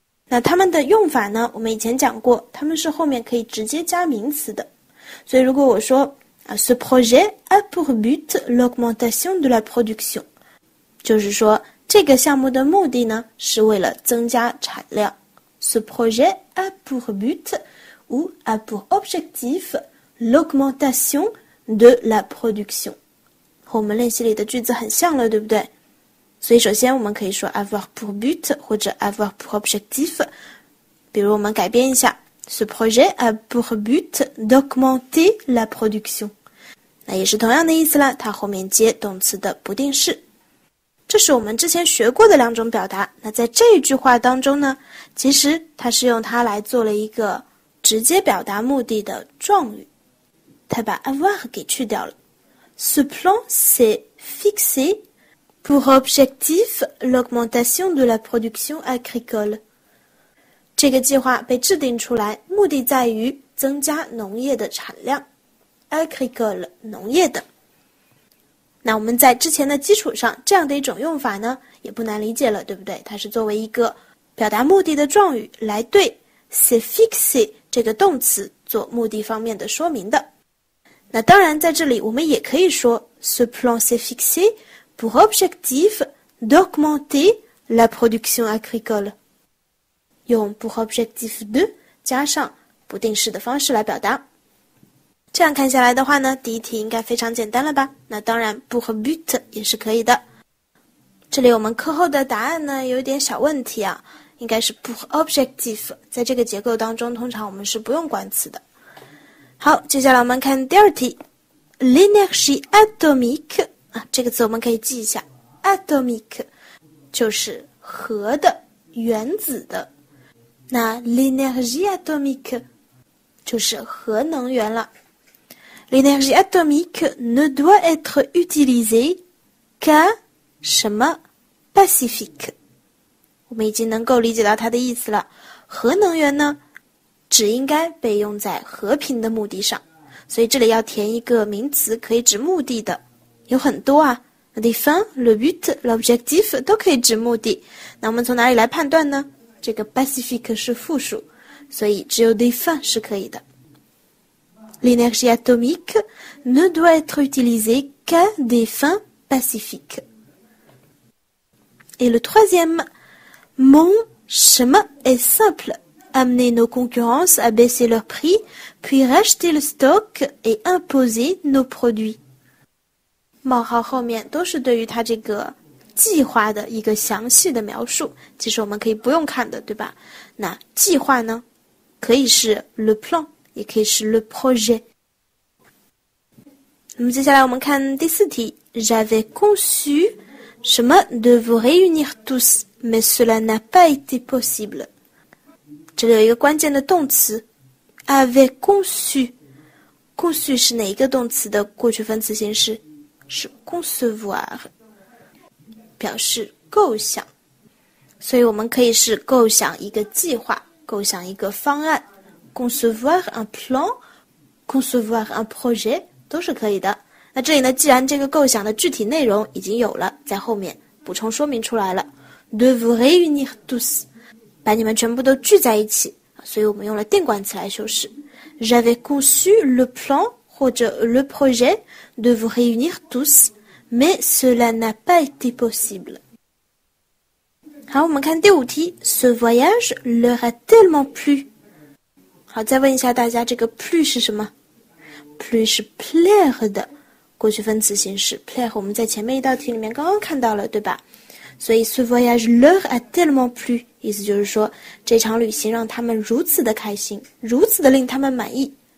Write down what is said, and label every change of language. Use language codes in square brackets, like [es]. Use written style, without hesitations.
[zh] 那它们的用法呢，我们以前讲过它们是后面可以直接加名词的。所以如果我说 [fr] ce projet a pour but l'augmentation de la production， [zh] 就是说这个项目的目的呢是为了增加产量。 [fr] ce projet a pour but ou a pour objectif l'augmentation de la production， [zh] 和我们练习里的句子很像了，对不对？所以首先我们可以说 avoir pour but 或者 avoir pour objectif， 比如我们改编一下 [fr] ce projet a pour but d'augmenter la production， [zh] 那也是同样的意思啦，它后面接动词的不定式。这是我们之前学过的两种表达。那在这一句话当中呢，其实它是用它来做了一个直接表达目的的状语，它把 avoir 给去掉了。 [fr] ce plan s'est fixéPour objectif, l'augmentation de la production agricole. [zh] 这个计划被制定出来，目的在于增加农业的产量。 Agricole, 农业的。那我们在之前的基础上，这样的一种用法呢，也不难理解了，对不对？它是作为一个表达目的的状语来对 [fr] c'est fixé [zh] 这个动词做目的方面的说明的。 [fr] 那当然在这里我们也可以说 ce plan s'est fixé,pour objectif d'augmenter la production agricole. [zh] 用 pour objectif de 加上不定式的方式来表达。这样看下来的话呢，第一题应该非常简单了吧？那当然 pour but 也是可以的。这里我们课后的答案呢有点小问题啊，应该是 pour objectif， 在这个结构当中通常我们是不用冠词的。好，接下来我们看第二题。L'énergie atomique啊，这个词我们可以记一下 ，atomic， 就是核的、原子的。那 l'énergie atomique 就是核能源了。 [fr] l'énergie atomique ne doit être utilisée qu'à [zh] 什么 [fr] pacifique？ [zh] 我们已经能够理解到它的意思了。核能源呢，只应该被用在和平的目的上，所以这里要填一个名词，可以指目的的。有很多啊 ,les fins, le but, l'objectif 都可以指目的。那我们从哪里来判断呢？这个 pacifique 是复数，所以只有 les fins 是可以的。 [fr] L'énergie atomique ne doit être utilisée qu'à des fins pacifiques. Et le troisième, mon chemin est simple. Amener nos concurrences à baisser leurs prix, puis racheter le stock et imposer nos produits. [zh] 冒号后面都是对于他这个计划的一个详细的描述，其实我们可以不用看的，对吧？那计划呢，可以是 le plan， 也可以是 le projet。那么接下来我们看第四题。 [fr] J'avais conçu [zh] 什么 [fr] de vous réunir tous mais cela n'a pas été possible。 [zh] 这里有一个关键的动词 avait conçu， conçu 是哪一个动词的过去分词形式？是 concevoir， 表示构想，所以我们可以是构想一个计划，构想一个方案， concevoir un plan， concevoir un projet 都是可以的。那这里呢，既然这个构想的具体内容已经有了，在后面补充说明出来了， [fr] de vous réunir tous， [zh] 把你们全部都聚在一起，所以我们用了定冠词来修饰。 [fr] j'avais conçu le plan [zh] 或者 [fr] le projet de vous réunir tous, mais cela n'a pas été possible. [zh] 好，我们看第五题。 [fr] Ce voyage leur a tellement plu. [zh] 好，再问一下大家，这个 plu 是什么？plu 是 plaire 的过去分词形式。 plaire 我们在前面一道题里面刚刚看到了，对吧？所以 [fr] ce voyage leur a tellement plu [zh] 意思就是说，这场旅行让他们如此的开心，如此的令他们满意。